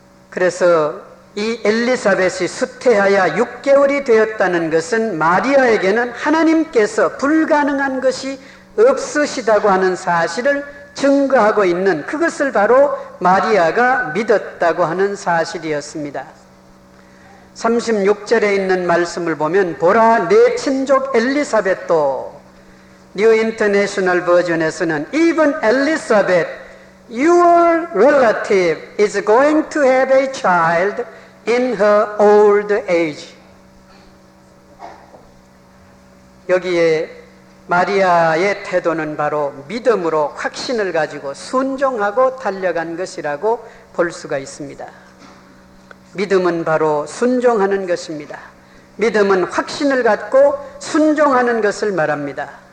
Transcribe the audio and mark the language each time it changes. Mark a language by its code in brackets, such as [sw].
[ko] 그래서 이 엘리사벳이 수태하여 6개월이 되었다는 것은 마리아에게는 하나님께서 불가능한 것이 없으시다고 하는 사실을 증거하고 있는, 그것을 바로 마리아가 믿었다고 하는 사실이었습니다. 36절에 있는 말씀을 보면 보라 내 친족 엘리사벳도, 뉴 인터내셔널 버전에서는 [en] Even Elizabeth, your relative is going to have a child in her old age. [ko] 여기에 마리아의 태도는 바로 믿음으로 확신을 가지고 순종하고 달려간 것이라고 볼 수가 있습니다. 믿음은 바로 순종하는 것입니다. 믿음은 확신을 갖고 순종하는 것을 말합니다.